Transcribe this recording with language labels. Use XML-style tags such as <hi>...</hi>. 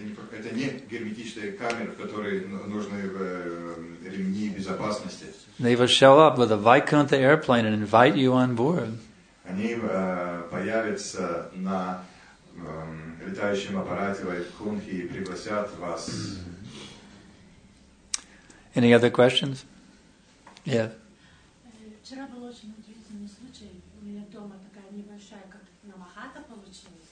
<ru>Это не герметичная камера, в которой нужны ремни безопасности.</ru> <en>They will show up with a Vaikuntha airplane and invite you on board.</en> <ru>Они появятся на летающем аппарате Вайкунхи и пригласят вас.</ru> <en>Any other questions? Yeah.</en> <ru>Вчера был очень удивительный случай. У меня дома такая небольшая, как намахата получилась.</ru>